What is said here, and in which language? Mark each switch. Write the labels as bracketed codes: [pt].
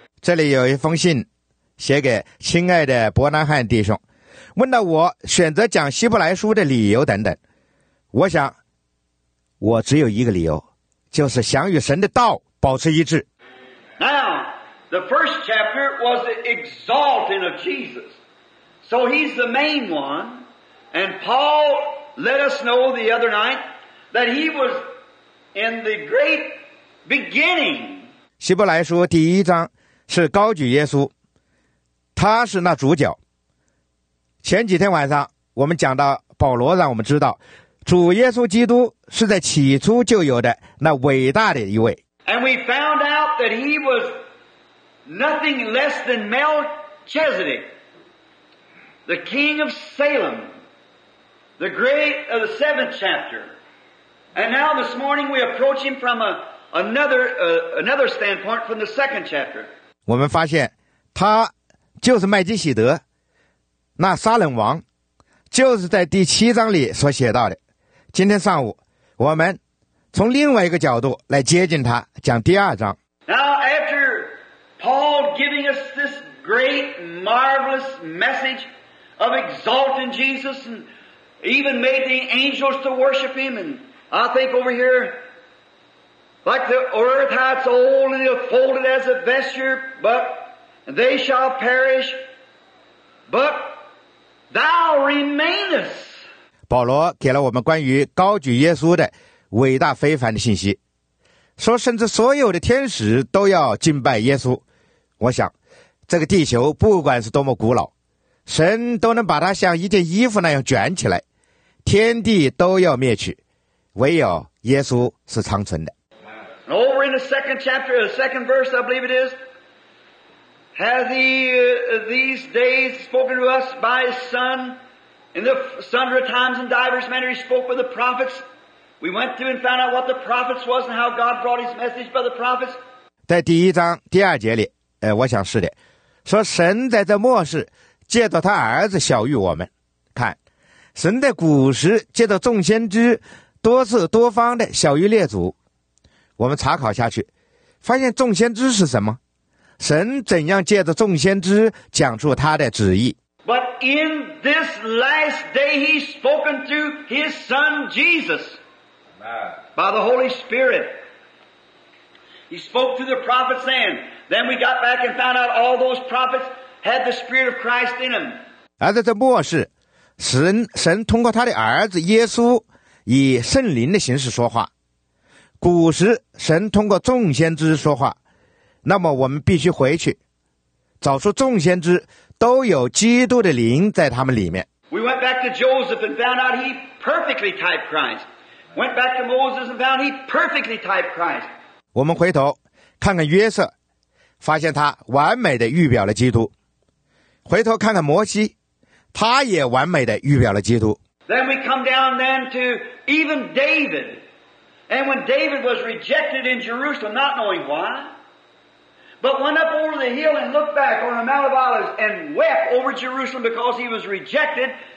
[zh] 这里有一封信写给亲爱的伯南汉弟兄，问到我选择讲希伯来书的理由等等，我想我只有一个理由，就是想与神的道保持一致。 [en] Now, the first chapter was the exalting of Jesus. So he's the main one. And Paul let us know the other night that he was in the great beginning. [zh] 希伯来书第一章是高举耶稣，他是那主角。前几天晚上我们讲到保罗让我们知道主耶稣基督是在起初就有的那伟大的一位。 [en] And we found out that he was nothing less than Melchizedek, the king of Salem, the great of the seventh chapter. And now this morning we approach him from another standpoint from the second chapter. [zh] 我们发现他就是麦基洗德。那撒冷王就是在第七章里所写到的，今天上午我们从另外一个角度来接近他，讲第二章。 [en] Now after Paul giving us this great marvelous message of exalting Jesus and even made the angels to worship him, and I think over here like the earth how it's old and it's folded as a vesture, but they shall perish, butThou remainest. [zh] 保罗给了我们关于高举耶稣的伟大非凡的信息，说甚至所有的天使都要敬拜耶稣。我想这个地球不管是多么古老，神都能把它像一件衣服那样卷起来，天地都要灭去，唯有耶稣是长存的。 [en] Over in the second chapter, the second verse, I believe it isHath he these days spoken to us by his son, in the sundry times and divers manner he spoke with the prophets, We went through and found out what the prophets was and how God brought his message by the prophets. [zh] 在第一章第二节里，我想是的，说神在这末世借着他儿子晓谕我们。看，神的古时借着众先知多次多方的晓谕列祖。我们查考下去，发现众先知是什么？神怎样借着众先知讲出他的旨意？ [en] But in this last day he's spoken to his son Jesus by the Holy Spirit. He spoke to the prophets then. Then we got back and found out all those prophets had the Spirit of Christ in them. [zh] 而在这末世，神通过他的儿子耶稣以圣灵的形式说话。古时神通过众先知说话，那么我们必须回去找出众先知都有基督的灵在他们里面。 [en] We went back to Joseph and found out he perfectly typed Christ. Went back to Moses and found he perfectly typed Christ. [zh] 我们回头看看约瑟，发现他完美的预表了基督。回头看看摩西，他也完美的预表了基督。 [en] Then we come down then to even David. And when David was rejected in Jerusalem, not knowing why,But went up over the hill and looked back on the Mount of Olives and wept over Jerusalem because he was rejected.